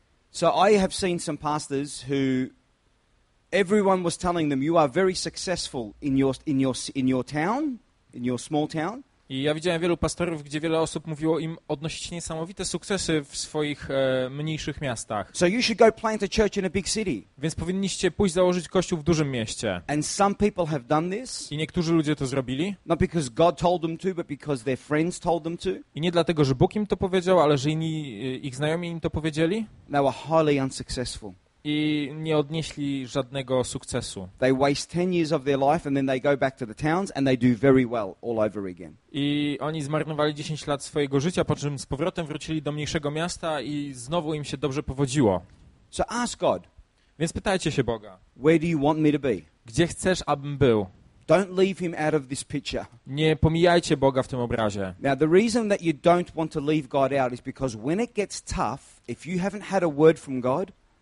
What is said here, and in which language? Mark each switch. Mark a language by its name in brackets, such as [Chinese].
[English] So I have seen some pastors who everyone was telling them you are very successful in your town, in your small town. [Polish] I ja widziałem wielu pastorów, gdzie wiele osób mówiło im odnosić niesamowite sukcesy w swoich mniejszych miastach. [English] So you should go plant a church in a big city. [Polish] Więc powinniście pójść założyć kościół w dużym mieście. [English] And some people have done this. [Polish] I niektórzy ludzie to zrobili. [English] Not because God told them to, but because their friends told them to. [Polish] I nie dlatego, że Bóg im to powiedział, ale że inni ich znajomi im to powiedzieli. [English] They were highly unsuccessful. [Polish] I nie odnieśli żadnego sukcesu. [English] They waste 10 years of their life and then they go back to the towns and they do very well all over again. [Polish] I oni zmarnowali 10 lat swojego życia, po czym z powrotem wrócili do mniejszego miasta i znowu im się dobrze powodziło. [English] So ask God. [Polish] Więc pytajcie się Boga. [English] Where do you want me to be? [Polish] Gdzie chcesz, abym był? [English] Don't leave him out of this picture. [Polish] Nie pomijajcie Boga w tym obrazie. [English] Now the reason that you don't want to leave God out is because when it gets tough, if you haven't had a word from God,